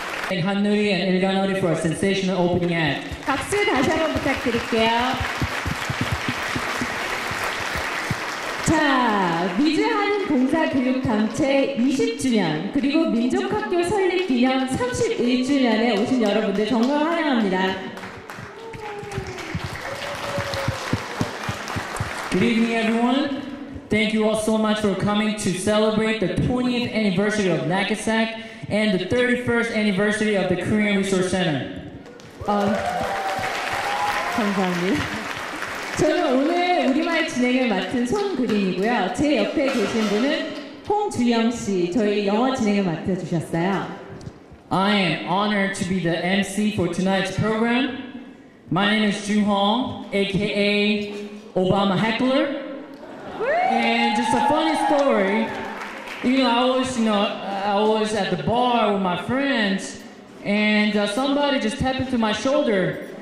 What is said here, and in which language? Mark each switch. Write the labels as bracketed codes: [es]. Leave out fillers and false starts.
[en] And Hanuri and Ilganori for a sensational opening act. [ko] 박수 다시 한번 부탁드릴게요. 자, 미주한 봉사교육단체 20주년 그리고 민족학교 설립 기념 31주년에 오신 여러분들 정말 환영합니다. [en] Good evening, everyone. Thank you all so much for coming to celebrate the 20th anniversary of NACASAC and the 31st anniversary of the Korean Resource Center. [ko] 감사합니다. 저는 오늘 우리말 진행을 맡은 손그린이고요. 제 옆에 계신 분은 홍주영 씨, 저희 영어 진행을 맡아주셨어요. [en] I am honored to be the MC for tonight's program. My name is Jun Hong, aka Obama Heckler. And just a funny story, you know, I was at the bar with my friends, and somebody just tapped into my shoulder.